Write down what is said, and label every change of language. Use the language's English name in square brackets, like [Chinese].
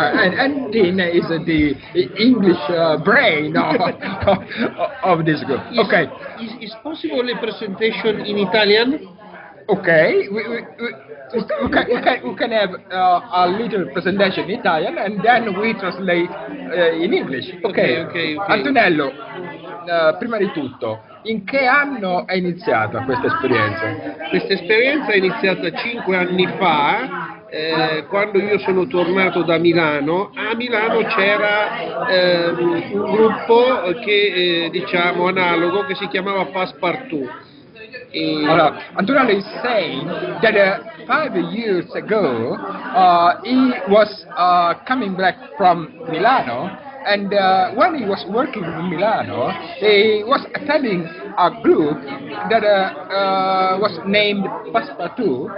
[English] and Dina is the English brain of this group. Okay. Is possible a presentation in Italian? Okay, we can have a little presentation in Italian, and then we translate in English. Okay. [Italian] Antonello, prima di tutto, in che anno è iniziata questa esperienza? Questa esperienza è iniziata 5 anni fa, quando io sono tornato da Milano. A Milano c'era un gruppo che diciamo analogo, che si chiamava Passepartout. [English] Allora, Antonello is saying that 5 years ago he was coming back from Milano, and when he was working in Milano, he was attending a group that was named Passepartout.